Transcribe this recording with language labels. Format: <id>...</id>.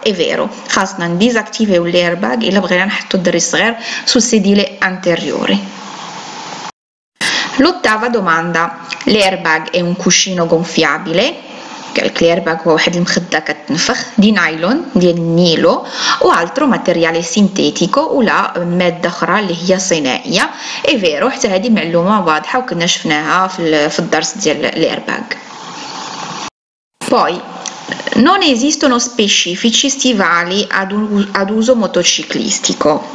<ar>اي فيرو، خاصنا نديزاكتيفيو الايرباك الا بغينا نحطو الدري الصغير سو سيديلي انتيريوري.</ar> <it>L'ottava domanda: l'airbag è un cuscino gonfiabile?</it> <ar>L'airbag o واحد المخدة كتنفخ دي نايلون ديال النيلو او</ar> <it>altro materiale sintetico</it> <ar>o la مادة اخرى اللي هي صناعية. اي فيرو، حتى هذه معلومة واضحة وكنا شفناها في الدرس ديال الايرباج.</ar> <it>Poi non esistono specifici stivali ad uso motociclistico.</it>